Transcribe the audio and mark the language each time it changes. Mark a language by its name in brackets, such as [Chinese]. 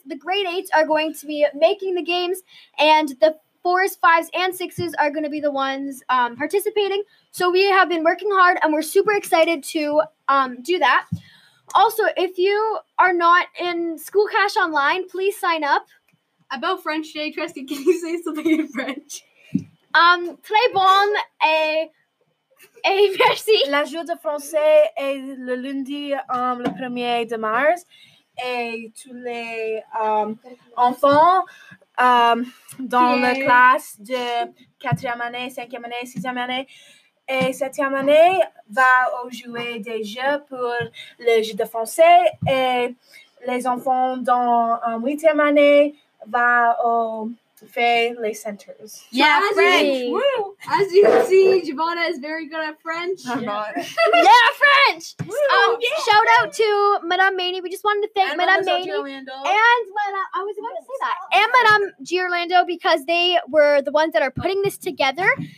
[English] The grade eights are going to be making the games, and the fours, fives, and sixes are going to be the ones participating. So we have been working hard, and we're super excited to do that. Also, if you are not in School Cash Online, please sign up. About French Day, Trusty, can you say something in French? [French] Très bon et... Et merci. La journée de français est le lundi le 1er de mars. Et tous les enfants dans la classe de 4e année, 5e année, 6e année et 7e année va jouer des jeux pour le jeu de français. Et les enfants dans 8e année va au Fay Le Centers. [English] Yeah, so French. As you can see, Javonna is very good at French. I'm not. Yeah, French. Shout out to Madame Maney. We just wanted to thank Madame Maney. And Madame Giorlando, because they were the ones that are putting this together.